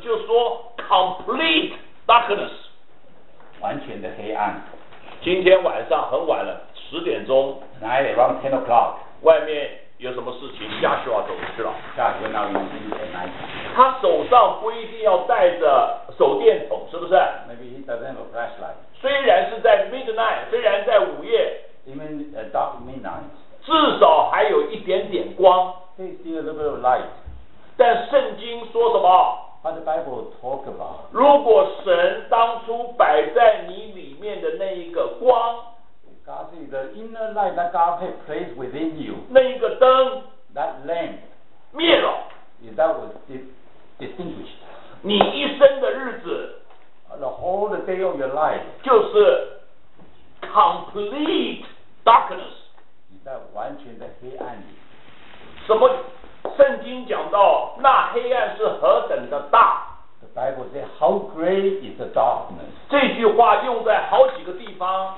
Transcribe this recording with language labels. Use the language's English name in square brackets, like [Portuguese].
[Chinese] 就是说 [English] complete darkness. [Chinese] 完全的黑暗。今天晚上很晚了，十点钟。 [English] Tonight around 10 o'clock. [Chinese] 外面有什么事情下去要走去了。下去那里已经很难。他手上不一定要带着手电筒，是不是？ [English] Maybe he doesn't have a flashlight. [Chinese] 虽然是在 midnight， 虽然在午夜 [English] even dark midnight， [Chinese] 至少还有一点点光 [English] ，there's still a little bit of light。 [Chinese] 但圣经说什么 [English] ？But the Bible talk about， [Chinese] 如果神当初摆在你里面的那一个光 [English] ，God is the inner light that God has placed within you， [Chinese] 那一个灯 [English] ，that lamp， [Chinese] 灭了 [English] ，is that was extinguished。 [Chinese] 你一生的日子 [English] ，the whole day of your life， [Chinese] 就是 [English] complete darkness， [Chinese] 你在完全的黑暗里。什么？圣经讲到那黑暗是何等的大。 [English] The Bible says how great is the darkness。 [Chinese] 这句话用在好几个地方。